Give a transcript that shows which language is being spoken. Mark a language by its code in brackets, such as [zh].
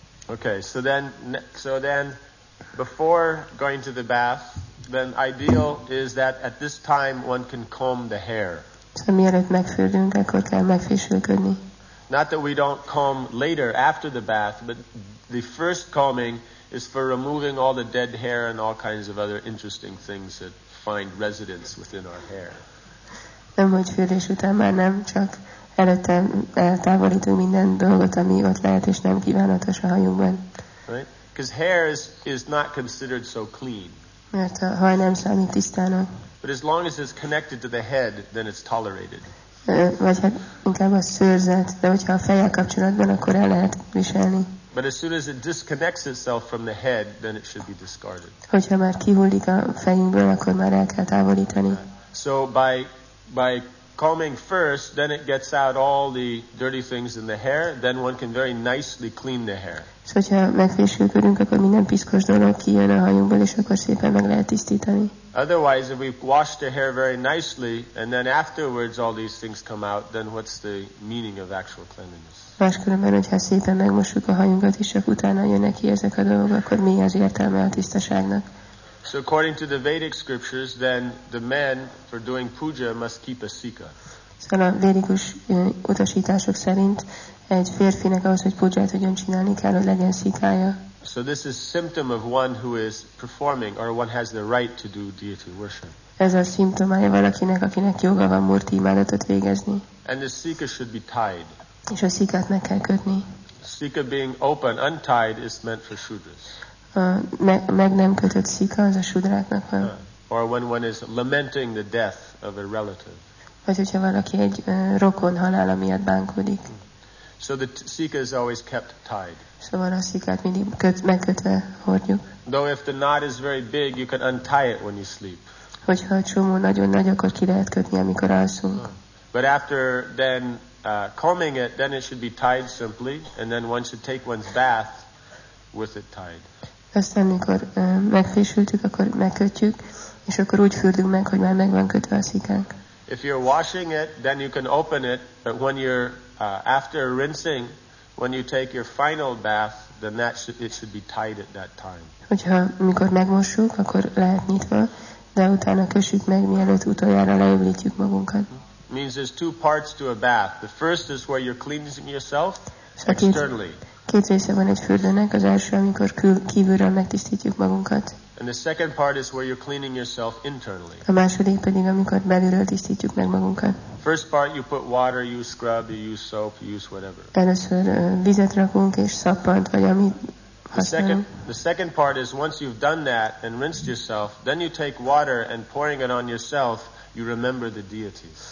[en] Okay, so then before going to the bath, then ideal is that at this time one can comb the hair. [hu] So, mielőtt megfürdünk, akkor kell megfésülködni. [en] Not that we don't comb later after the bath, but the first combing is for removing all the dead hair and all kinds of other interesting things that find residence within our hair. [hu] Nem, hogy fürdés után már nem, csak előtte eltávolítunk minden dolgot, ami ott lehet és nem kívánatos a hajunkban. [en] Right? Because hair is not considered so clean. [hu] Mert a haj nem számít tisztának. [en] But as long as it's connected to the head, then it's tolerated. [hu] Vagy hát inkább a szőrzet, de hogyha a fejjel kapcsolatban, akkor el lehet viselni. [en] But as soon as it disconnects itself from the head, then it should be discarded. [hu] Hogyha már kihullik a fejünkből, akkor már el kell távolítani. [en] So by combing first, then it gets out all the dirty things in the hair, then one can very nicely clean the hair. [hu] So, hogyha megfésülködünk, akkor minden piszkos dolog kijön a hajunkból, és akkor szépen meg lehet tisztítani. [en] Otherwise, if we wash the hair very nicely, and then afterwards all these things come out, then what's the meaning of actual cleanliness? [hu] Máskülönben, hogyha szépen megmosuk a hajunkat, és csak utána jönnek ki ezek a dolgok, akkor mi az értelme a tisztaságnak? [en] So according to the Vedic scriptures, then the men for doing puja must keep a sika. [hu] So a védikus utasítások szerint egy férfinek ahhoz, hogy pujját tudjon csinálni, kell, hogy legyen szikája. [en] So this is symptom of one who is performing, or one has the right to do deity worship. [hu] Ez a szimptomája valakinek, akinek joga van murti imádatot végezni. [en] And the sika should be tied. [hu] És a szikát meg kell kötni. [en] Sika being open, untied is meant for shudras. [hu] Meg nem kötött szika, az a sudráknak van. [en] Or when one is lamenting the death of a relative. [hu] Vagy hogyha valaki egy rokon halála miatt bánkodik. [en] So the sika is always kept tied. [hu] Szóval a szikát mindig megkötve hordjuk. [en] Though if the knot is very big, you can untie it when you sleep. [hu] Hogyha a csomó nagyon nagy, akkor ki lehet kötni, amikor alszunk. [en] But after then combing it, then it should be tied simply, and then one should take one's bath with it tied. [hu] Aztán, amikor megfésültük, akkor megkötjük, és akkor úgy fürdünk meg, hogy már meg van kötve a szikánk. [en] If you're washing it, then you can open it, but when you're after rinsing, when you take your final bath, then that it should be tied at that time. [hu] Hogyha mikor megmosuk, akkor lehet nyitva, de utána kössük meg, mielőtt utoljára leöblítjük magunkat. [en] Means there's two parts to a bath. The first is where you're cleansing yourself externally. [hu] Két része van egy fürdőnek, az első, amikor kívülről megtisztítjuk magunkat. [en] And the second part is where you're cleaning yourself internally. [hu] A második pedig, amikor belülről tisztítjuk meg magunkat. [en] First part you put water, you scrub, you use soap, you use whatever. [hu] Először vizet rakunk és szappant vagy amit használunk. [en] The second part is once you've done that and rinsed yourself, then you take water and pouring it on yourself, you remember the deity.